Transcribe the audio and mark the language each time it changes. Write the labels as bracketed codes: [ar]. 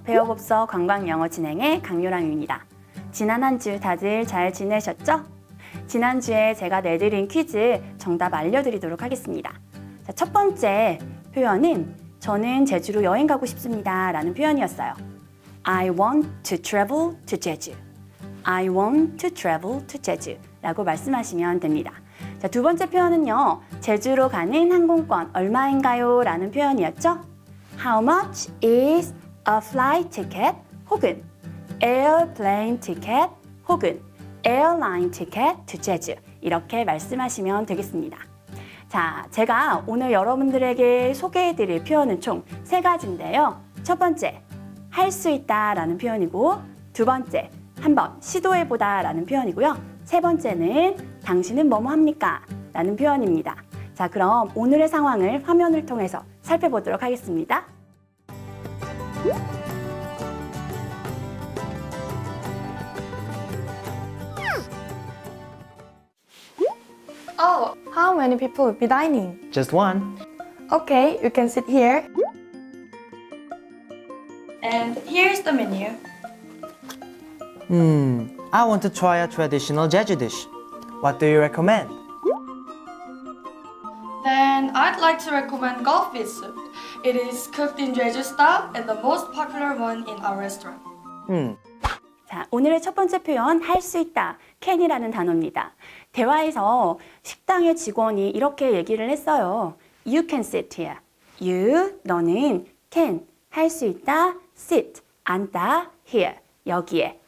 [ko] 배워봅서 관광영어 진행의 강요랑입니다. 지난 한 주 다들 잘 지내셨죠? 지난주에 제가 내드린 퀴즈 정답 알려드리도록 하겠습니다. 자, 첫 번째 표현은 저는 제주로 여행 가고 싶습니다 라는 표현이었어요. [en] I want to travel to 제주. I want to travel to 제주 [ko] 라고 말씀하시면 됩니다. 자, 두 번째 표현은요. 제주로 가는 항공권 얼마인가요? 라는 표현이었죠. [en] How much is a flight ticket [ko] 혹은 [en] airplane ticket 혹은 airline ticket to 제주 [ko] 이렇게 말씀하시면 되겠습니다. 자, 제가 오늘 여러분들에게 소개해드릴 표현은 총 세 가지인데요. 첫 번째, 할 수 있다 라는 표현이고 두 번째, 한번 시도해보다 라는 표현이고요. 세 번째는 당신은 뭐뭐 합니까? 라는 표현입니다. 자, 그럼 오늘의 상황을 화면을 통해서 살펴보도록 하겠습니다. [en] 어, how many people will be dining? Just one. Okay, you can sit here. And here's the menu. I want to try a traditional Jeju dish. What do you recommend? Then I'd like to recommend goldfish soup. It is cooked in Jeju style and the most popular one in our restaurant. [ko] 자, 오늘의 첫 번째 표현, 할 수 있다, can이라는 단어입니다. 대화에서 식당의 직원이 이렇게 얘기를 했어요. [en] You can sit here. [ko] You, 너는 can, 할 수 있다, sit, 앉다, here, 여기에.